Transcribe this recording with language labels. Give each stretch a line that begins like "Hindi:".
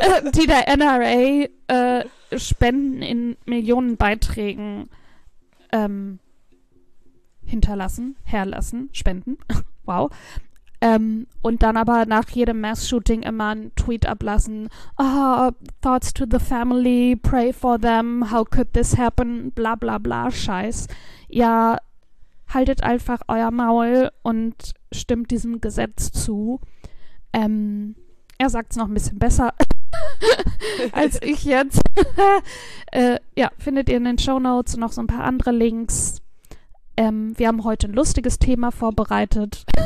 German: Die der NRA Spenden in Millionenbeiträgen hinterlassen, herlassen, spenden. Wow. Und dann aber nach jedem Mass-Shooting immer einen Tweet ablassen.
English: Oh, thoughts to the family, pray for them, how could this happen, bla bla bla, Scheiß.
German: Ja, haltet einfach euer Maul und stimmt diesem Gesetz zu. Er sagt es noch ein bisschen besser als ich jetzt. ja, findet ihr in den Shownotes noch so ein paar andere Links. Wir haben heute ein lustiges Thema vorbereitet.